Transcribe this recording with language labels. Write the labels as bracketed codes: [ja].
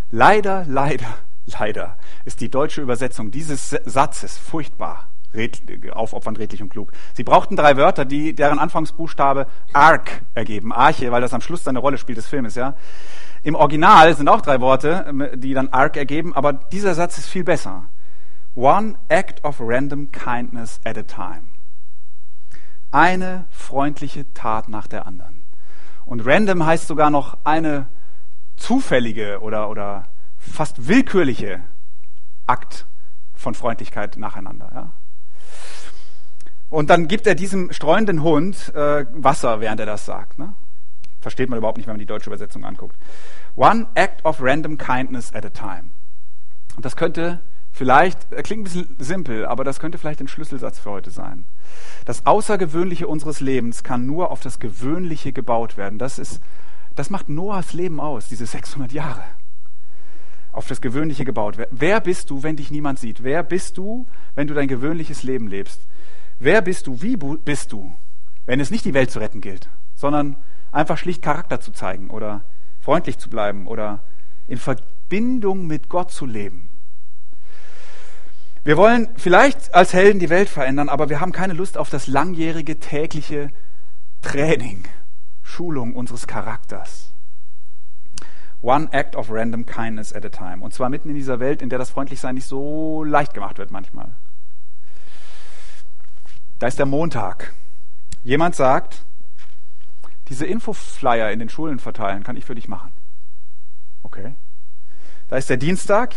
[de] Leider, leider. Leider ist die deutsche Übersetzung dieses Satzes furchtbar, aufopfernd, redlich und klug. Sie brauchten drei Wörter, deren Anfangsbuchstabe Ark ergeben, Arche, weil das am Schluss seine Rolle spielt des Filmes. Ja? Im Original sind auch drei Worte, die dann Ark ergeben, aber dieser Satz ist viel besser. [en] One act of random kindness at a time. [de] Eine freundliche Tat nach der anderen. Und random heißt sogar noch eine zufällige oder fast willkürliche Akt von Freundlichkeit nacheinander. Ja. Und dann gibt er diesem streunenden Hund Wasser, während er das sagt. Ne? Versteht man überhaupt nicht, wenn man die deutsche Übersetzung anguckt. [en] One act of random kindness at a time. [de] Und das könnte vielleicht, klingt ein bisschen simpel, aber das könnte vielleicht ein Schlüsselsatz für heute sein. Das Außergewöhnliche unseres Lebens kann nur auf das Gewöhnliche gebaut werden. Das macht Noahs Leben aus, diese 600 Jahre. Auf das Gewöhnliche gebaut. Wer bist du, wenn dich niemand sieht? Wer bist du, wenn du dein gewöhnliches Leben lebst? Wer bist du, wie bist du, wenn es nicht die Welt zu retten gilt, sondern einfach schlicht Charakter zu zeigen oder freundlich zu bleiben oder in Verbindung mit Gott zu leben? Wir wollen vielleicht als Helden die Welt verändern, aber wir haben keine Lust auf das langjährige tägliche Training, Schulung unseres Charakters. [en] One act of random kindness at a time. [de] Und zwar mitten in dieser Welt, in der das Freundlichsein nicht so leicht gemacht wird manchmal. Da ist der Montag. Jemand sagt, diese Infoflyer in den Schulen verteilen kann ich für dich machen. Okay. Da ist der Dienstag.